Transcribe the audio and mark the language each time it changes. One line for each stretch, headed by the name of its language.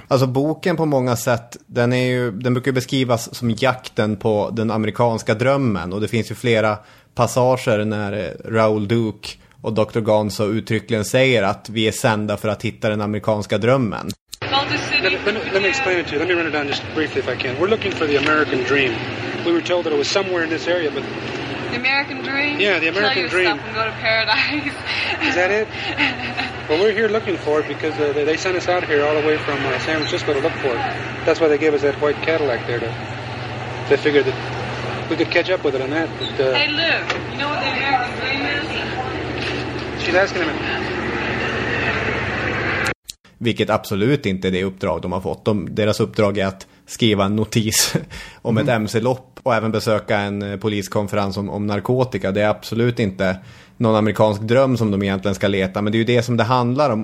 Swedish: Alltså boken på många sätt, den brukar beskrivas som jakten på den amerikanska drömmen. Och det finns ju flera passager när Raoul Duke och Dr. Gonzo uttryckligen säger att vi är sända för att hitta den amerikanska drömmen.
English: Let me explain it to you. Let me run it down just briefly if I can. We're looking for the American dream. We were told that it was somewhere in this area, but... The American dream? Yeah, the American dream. Tell yourself and go to paradise. Is that it? Well, we're here looking for it because they sent us out here all the way from San Francisco to look for it. That's why they gave us that white Cadillac there to... They figured that we could catch up with it on that. But, hey, Lou, you know what the American dream is? She's asking him...
Swedish: Vilket absolut inte är det uppdrag de har fått. Deras uppdrag är att skriva en notis om ett MC-lopp och även besöka en poliskonferens om narkotika. Det är absolut inte någon amerikansk dröm som de egentligen ska leta, men det är ju det som det handlar om.